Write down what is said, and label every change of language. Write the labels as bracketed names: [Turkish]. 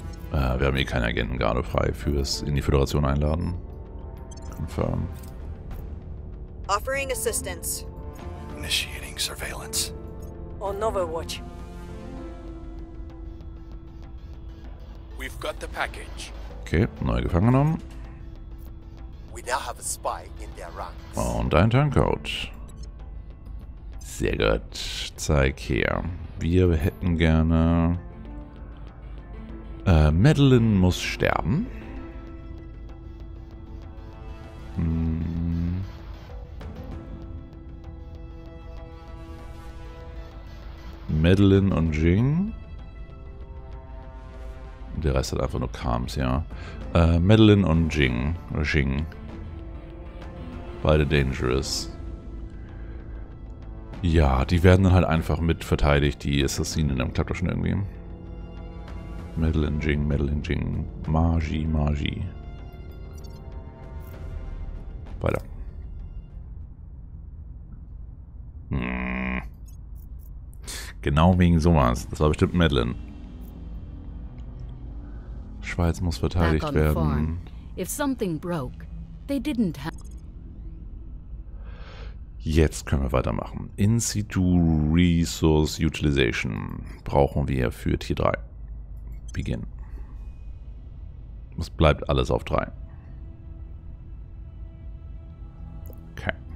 [German] Wir haben eh keine Agenten gerade frei fürs in die Föderation einladen. [English] Confirm. Offering assistance. Initiating surveillance. On Overwatch. We've got the package. [German] Okay, neu gefangen genommen. [English] We now have a spy in their ranks. [German] Und ein Turncoat. Sehr gut. Zeig her. Wir hätten gerne. Madeline muss sterben. Madeline und Jing. Der Rest hat einfach nur Kams, ja. Madeline und Jing. Jing. Beide [English] dangerous. [German] Ja, die werden dann halt einfach mit verteidigt, die Assassinen. Dann klappt das schon irgendwie. Madeline Jing. Magi. Weiter. Genau wegen sowas. Das war bestimmt Madeline. Schweiz muss verteidigt werden. [English] If something broke, they didn't have. [German] Jetzt können wir weitermachen. In situ Resource Utilization brauchen wir für Tier 3. [English] Begin. [German] Es bleibt alles auf 3. Okay.